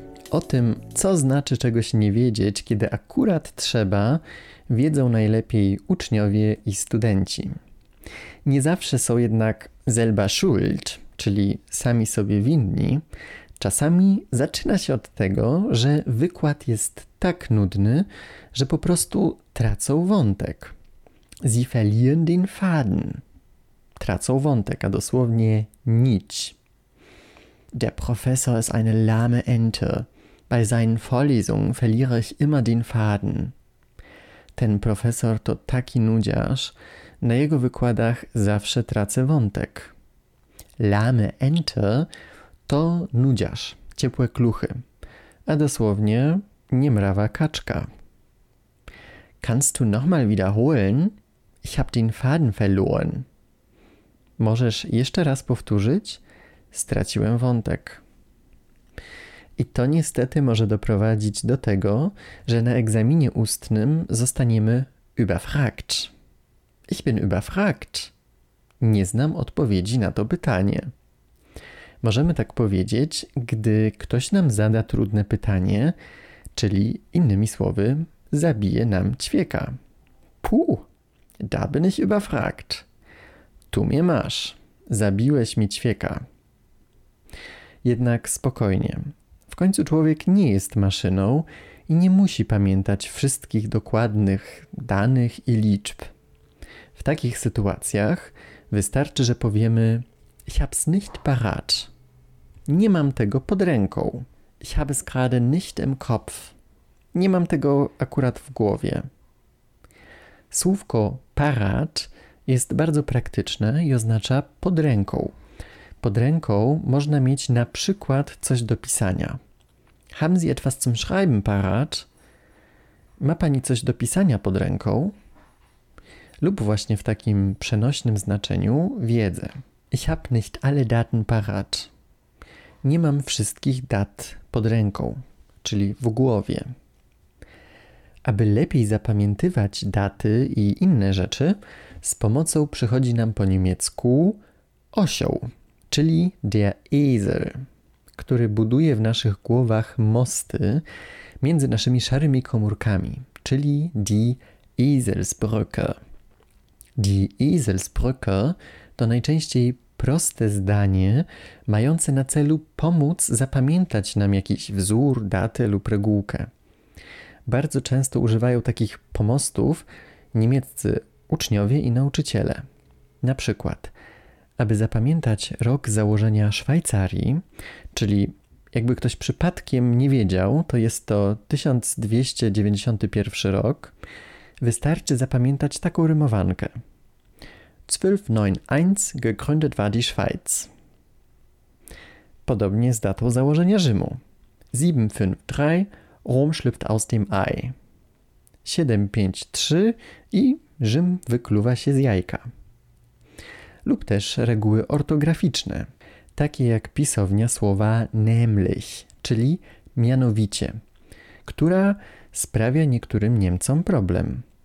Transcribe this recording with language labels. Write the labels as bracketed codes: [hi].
[pl] o tym, co znaczy czegoś nie wiedzieć, kiedy akurat trzeba, wiedzą najlepiej uczniowie i studenci. Nie zawsze są jednak [de] selber schuld, [pl] czyli sami sobie winni. Czasami zaczyna się od tego, że wykład jest tak nudny, że po prostu tracą wątek. [de] Sie verlieren den Faden. [pl] Tracą wątek, a dosłownie nić. [de] Der Professor ist eine lahme Ente. Bei seinen Vorlesungen verliere ich immer den Faden. [pl] Ten profesor to taki nudziarz, na jego wykładach zawsze tracę wątek. Lahme Ente to nudziarz, ciepłe kluchy, a dosłownie niemrawa kaczka. [de] Kannst du nochmal wiederholen? Ich hab den Faden verloren. [pl] Możesz jeszcze raz powtórzyć? Straciłem wątek. I to niestety może doprowadzić do tego, że na egzaminie ustnym zostaniemy überfragt. [de] Ich bin überfragt. [pl] Nie znam odpowiedzi na to pytanie. Możemy tak powiedzieć, gdy ktoś nam zada trudne pytanie, czyli innymi słowy, zabije nam ćwieka. [de] Puh, da bin ich überfragt. [pl] Tu mnie masz. Zabiłeś mi ćwieka. Jednak spokojnie. W końcu człowiek nie jest maszyną i nie musi pamiętać wszystkich dokładnych danych i liczb. W takich sytuacjach wystarczy, że powiemy [de] Ich hab's nicht parat. [pl] Nie mam tego pod ręką. [de] Ich hab's gerade nicht im Kopf. [pl] Nie mam tego akurat w głowie. Słówko parat jest bardzo praktyczne i oznacza pod ręką. Pod ręką można mieć na przykład coś do pisania. [de] Haben Sie etwas zum Schreiben parat? [pl] Ma Pani coś do pisania pod ręką? Lub właśnie w takim przenośnym znaczeniu wiedzę. [de] Ich hab nicht alle Daten parat. [pl] Nie mam wszystkich dat pod ręką, czyli w głowie. Aby lepiej zapamiętywać daty i inne rzeczy, z pomocą przychodzi nam po niemiecku osioł, czyli der Esel, który buduje w naszych głowach mosty między naszymi szarymi komórkami, czyli die Eselsbrücke. Die Eselsbrücke to najczęściej proste zdanie mające na celu pomóc zapamiętać nam jakiś wzór, datę lub regułkę. Bardzo często używają takich pomostów niemieccy uczniowie i nauczyciele. Na przykład, aby zapamiętać rok założenia Szwajcarii, czyli jakby ktoś przypadkiem nie wiedział, to jest to 1291 rok, wystarczy zapamiętać taką rymowankę. [de] 1291 gegründet war die Schweiz. [pl] Podobnie z datą założenia Rzymu. [de] 753 Rom schlüpft aus dem Ei. [pl] 753 i Rzym wykluwa się z jajka. Lub też reguły ortograficzne, takie jak pisownia słowa nämlich, czyli mianowicie, która sprawia niektórym Niemcom problem.